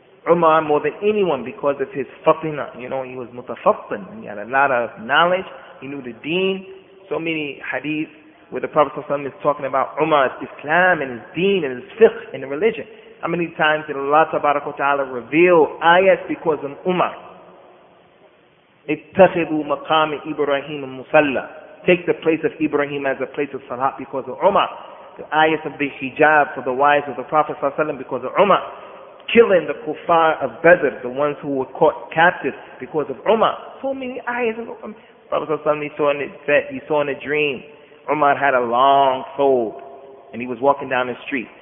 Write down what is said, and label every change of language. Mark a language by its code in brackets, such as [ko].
[en] Umar, more than anyone, because of his fatina, you know, he was mutafattin, he had a lot of knowledge, he knew the deen, so many hadith where the Prophet ﷺ is talking about Umar's Islam and his deen and his fiqh and the religion. How many times did Allah tabaraka wa ta'ala reveal ayat because of Umar? [ar] اتخذوا مقام إبراهيم المصلى. [en] Take the place of Ibrahim as a place of salah because of Umar. The ayat of the hijab for the wives of the Prophet ﷺ because of Umar. Killing the kuffar of Badr, the ones who were caught captive because of Umar. So many ayahs. Prophet ﷺ, he saw in a dream, Umar had a long thobe, and he was walking down the street.